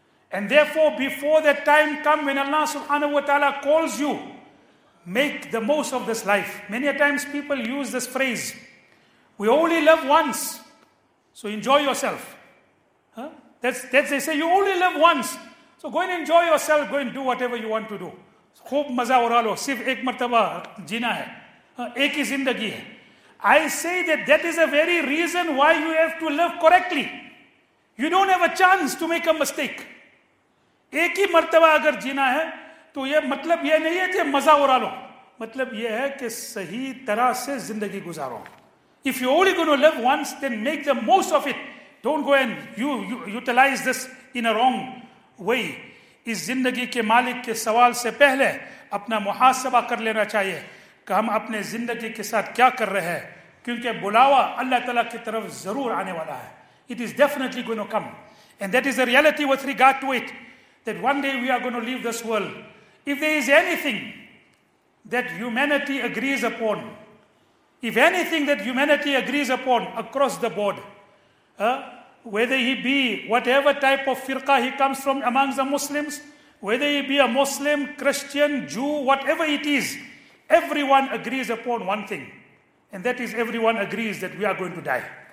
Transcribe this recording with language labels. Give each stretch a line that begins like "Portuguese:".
English: And therefore, before that time come when Allah subhanahu wa ta'ala calls you, make the most of this life. Many a times people use this phrase, we only live once, so enjoy yourself. Huh? That's they say, you only live once, so go and enjoy yourself, go and do whatever you want to do.
Urdu: خوب مزہ اڑا لو صرف ایک مرتبہ جینا ہے ایک ہی زندگی ہے
English: I say that is a very reason why you have to live correctly. You don't have a chance to make a mistake.
Urdu: ایک ہی مرتبہ اگر جینا ہے تو یہ مطلب یہ نہیں ہے کہ مزہ اڑا لو مطلب یہ ہے کہ صحیح طرح سے زندگی گزارو
English: If you only going to live once then make the most of it. Don't go and you utilize this in a wrong way.
Urdu: اس زندگی کے مالک کے سوال سے پہلے اپنا محاسبہ کر لینا چاہیے کہ ہم اپنے زندگی کے ساتھ کیا کر رہے ہیں کیونکہ بلاوا اللہ تعالیٰ کی طرف ضرور آنے والا ہے
English: It is definitely going to come and that is the reality with regard to it that one day we are going to leave this world. If there is anything that humanity agrees upon, if anything that humanity agrees upon across the board, whether he be whatever type of firqa he comes from among the Muslims, whether he be a Muslim, Christian, Jew, whatever it is, everyone agrees upon one thing, and that is everyone agrees that we are going to die.